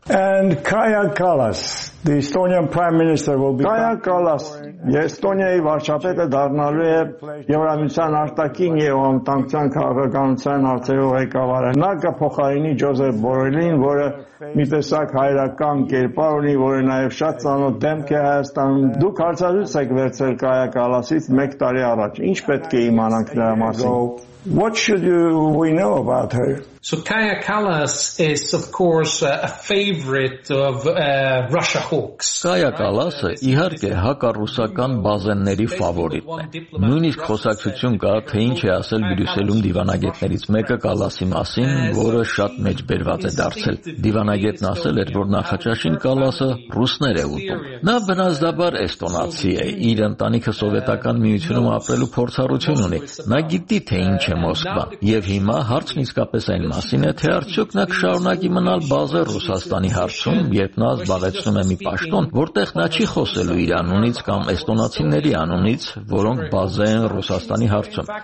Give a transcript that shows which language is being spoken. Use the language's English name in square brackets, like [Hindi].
[English] And Kaja Kallas, the Estonian Prime Minister will be [Armenian] Kaja Kallas, Estonia-ի վարչապետը դառնալու է Եվրամիության արտաքին և անվտանգության քաղաքականության հարցերի ղեկավարը։ Նա կփոխարինի Ջոզեֆ Բորելին, որը մի տեսակ հայրական կերպար ունի, որը նաև շատ ծանոթ դեմք է Հայաստանում։ Դուք հարցազրույց եք վերցրել Kaja Kallas-ից 1 տարի առաջ, ինչ պետք է իմանանք նրա մասին։ [English] What should we know about her? So Kaja Kallas is of course a favorite of Russia hawks. [Armenian] Kaja Kallas իհարկե հակառուսական բազենների ֆավորիտ է։ Նույնիսկ խոսակցություն կա, թե ինչ է ասել Բրյուսելում դիվանագետներից մեկը Կալասի մասին, որը շատ մեջբերված է դարձել։ Դիվանագետն ասել էր, որ նախաճաշին Կալասը ռուսներ է ուտում։ Նա բնազդաբար էստոնացի է, իր ընտանիքը սովետական միությունում ապրելու փորձառություն ունի։ Նա գիտի, թե ինչ է Մոսկվան, և հիմա հարցն իսկապես այն մասին է, թե արդյոք նա կշարունակի մնալ բազը Ռուսաստանի հարցում, երբ նա զբաղեցնում է մի պաշտոն, որտեղ նա չի խոսելու իր անունից կամ էստոնացիների անունից, որոնք բազե են Ռուսաստանի հարցում։